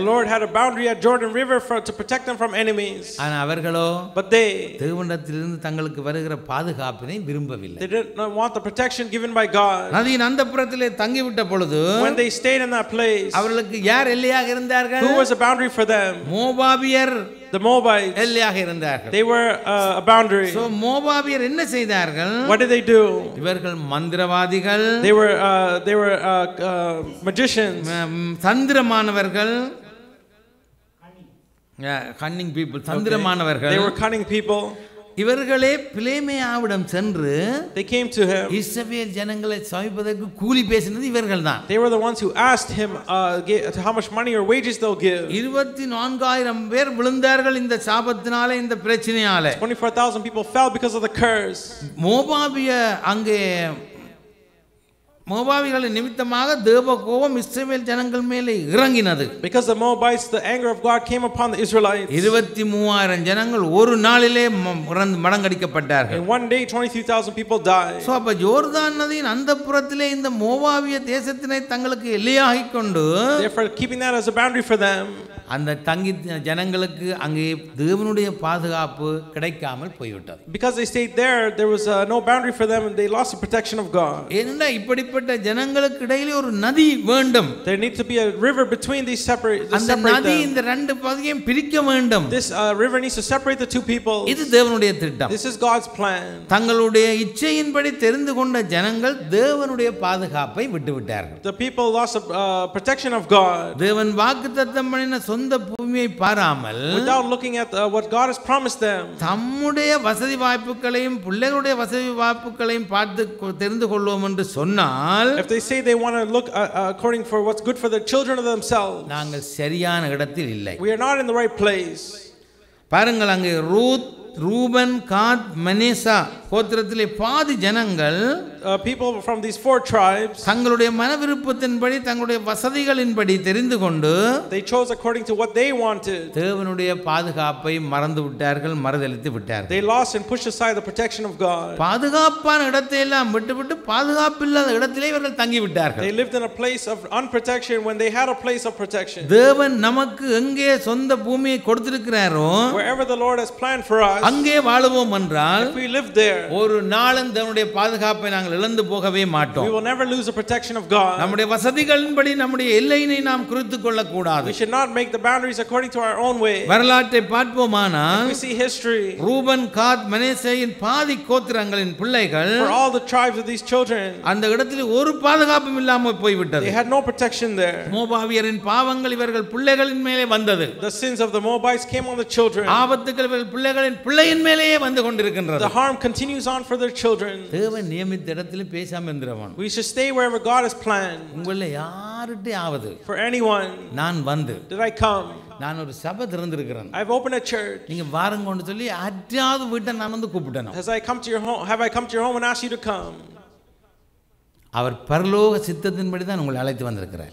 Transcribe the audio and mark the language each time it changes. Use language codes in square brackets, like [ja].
[en] the lord had a boundary at jordan river for to protect them from enemies [ta] ஆனால் அவர்களோ [en] but they [ta] தேவனிடத்திலிருந்து தங்களுக்கு வருகிற பாதுகாப்பினை விரும்பவில்லை [en] they did not want the protection given by god [ta] நதியின் அந்த புறத்திலே தங்கி விட்ட பொழுது [en] when they stayed in that place [ta] அவர்களுக்கு யார் எல்லையாக இருந்தார்கள் [en] who was a boundary for them [ta] மோபாபியர் [en] the moabites [ta] எல்லையாக இருந்தார்கள் [en] they were a boundary [ta] so மோபாபியர் என்ன செய்தார்கள் [en] what did they do [ta] இவர்கள் மந்திரவாதிகள் [en] they were magicians [ta] தந்திரமானவர்கள் [en] Yeah, cunning people. They were cunning people. [ta] இவர்களே பிலேமேயாவிடம் சென்று [en] they came to him [ta] இஸ்ரவேல் ஜனங்களை சபிப்பதற்கு கூலி பேசினது இவர்கள் தான் [en] they were the ones who asked him how much money or wages they'll give [ta] 24000 பேர் விழுந்தார்கள் இந்த சாபத்தினாலே இந்த பிரச்சனையாலே [en] 24000 people fell because of the curse [ta] மோபாபிய அங்கே மோபாவிகளை நிமித்தமாக தேவ கோபம் இஸ்ரவேல் ஜனங்கள் மேலே இறங்கினது [en] because the Moabites the anger of God came upon the Israelites [ta] 23000 ஜனங்கள் ஒரு நாளிலே மடங்கடிக்கப்பட்டார்கள் [en] in one day 23000 people died [ta] so அப்ப யோர்தான் நதியின் அந்த புறத்திலே இந்த மோபாவிய தேசத்தினை தங்களுக்கு எல்லையாக கொண்டு [en] therefore keeping that as a boundary for them [ta] அந்த தங்கி ஜனங்களுக்கு அங்கே தேவனுடைய பாதுகாப்பு கிடைக்காமல் போய்விட்டது [en] because they stayed there was no boundary for them and they lost the protection of God [ta] என்ன இப்படிப்பட்ட ஜனங்களுக்கு இடையிலே ஒரு நதி வேண்டும் [en] there needs to be a river between these separate [ta] அந்த நதி இந்த ரெண்டு பகுதியையும் பிரிக்க வேண்டும் [en] this river needs to separate the two people [ta] இது தேவனுடைய திட்டம் [en] this is God's plan [ta] தங்களுடைய இச்சையின்படி தெரிந்து கொண்ட ஜனங்கள் தேவனுடைய பாதுகாப்பை விட்டு விட்டார்கள் [en] the people lost the protection of God [ta] தேவன் வாக்குத்தத்தம் பண்ணின சொந்த பூமியை பாராமல் [en] without looking at what God has promised them [ta] தம்முடைய வசதி வாய்ப்புகளையும் பிள்ளைகளுடைய வசதி வாய்ப்புகளையும் பார்த்து தெரிந்து கொள்வோம் என்று சொன்னால் [en] if they say they want to look according for what's good for their children or themselves [ta] நாங்கள் சரியான இடத்தில் இல்லை [en] we are not in the right place [ta] பாருங்கள் அங்கே ரூத் ரூபன் காத் மனேசா கோத்திரத்திலே பாதி ஜனங்கள் [en] people from these four tribes [ta] தங்களோட மனவிருப்பத்தின்படி தங்களோட வசதிகளின்படி தெரிந்து கொண்டு [en] they chose according to what they wanted [ta] தேவனுடைய பாதுகாப்பை மறந்து விட்டார்கள் மறதளித்து விட்டார்கள் [en] they lost and pushed aside the protection of God [ta] பாதுகாப்பான இடத்தையெல்லாம் விட்டுவிட்டு பாதுகாப்பில்லாத இடத்திலே இவர்கள் தங்கி விட்டார்கள் [en] they lived in a place of unprotection when they had a place of protection [ta] தேவன் நமக்கு எங்கே சொந்த பூமியை கொடுத்திருக்கிறாரோ [en] wherever the Lord has planned for us [ta] அங்கே வாழ்வோம் என்றால் [en] if we live there [ta] ஒரு நாளும் தேவனுடைய பாதுகாப்பை இழந்து போகவே மாட்டோம் [en] we will never lose the protection of God [ta] நம்முடைய வசதிகளின்படி நம்முடைய எல்லையினை நாம் குறித்துக் கொள்ள கூடாது [en] we should not make the boundaries according to our own way [ta] வரலாற்றை பார்ப்போமானால் [en] we see history [ta] ரூபன் காத் மனேசேயின் பாதி கோத்திரங்களின் பிள்ளைகள் [en] for all the tribes of these children [ta] அந்த இடத்தில் ஒரு பாதுகாப்பும் இல்லாம போய் விட்டது [en] they had no protection there [ta] மோபாவியரின் பாவங்கள் இவர்கள் பிள்ளைகளின் மேலே வந்தது [en] the sins of the Moabites came on the children [ta] ஆபத்துகள் இவர்கள் பிள்ளைகளின் பிள்ளையின் மேலேயே வந்து கொண்டிருக்கிறது [en] the harm continues on for their children [ta] தேவன் நியமித்த இடத்தில் பேசாம இருந்திரவான் [en] we should stay wherever God has planned [ta] உங்களை யாருடைய ஆவது [en] for anyone [ta] நான் வந்து [en] did I come [ta] நான் ஒரு சபை திறந்திருக்கிறேன் [en] I've opened a church [ta] நீங்க வாருங்கன்னு சொல்லி அட்டையாவது வீட்டை நான் வந்து கூப்பிட்டனோ [en] has I come to your home have I come to your home and asked you to come [ta] அவர் பரலோக சித்தத்தின்படி தான் உங்களை அழைத்து வந்திருக்கிறார்